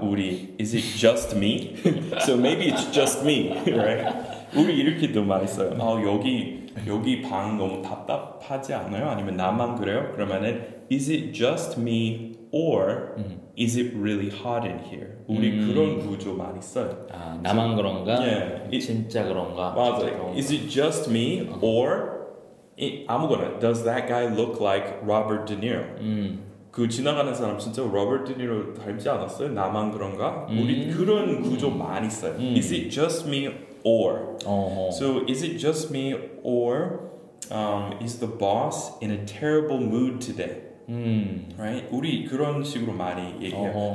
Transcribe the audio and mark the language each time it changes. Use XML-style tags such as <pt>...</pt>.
<en>우리 is it just me? So maybe it's just me, right?</en> <ko>우리 이렇게도 많이 써요. 여기 방 너무 답답하지 않아요? 아니면 나만 그래요? 그러면은</ko> <en>Is it just me or is it really hot in here?</en> <ko>우리 그런 구조 많이 써요. 아, 나만 그런가?</ko> <en>Yeah.</en> <ko>진짜 그런가? 맞아요.</ko> <en>Is it just me or I'm gonna Does that guy look like Robert De Niro?</en> <ko>그 지나가는 사람 진짜 로버트 드니로 닮지 않았어요? 나만 그런가? 우리 그런 구조 많이 써요.</ko> <en>Is it just me or so is it just me or is the boss in a terrible mood today right</en> <ko>우리 그런 식으로 많이 얘기해요.</ko>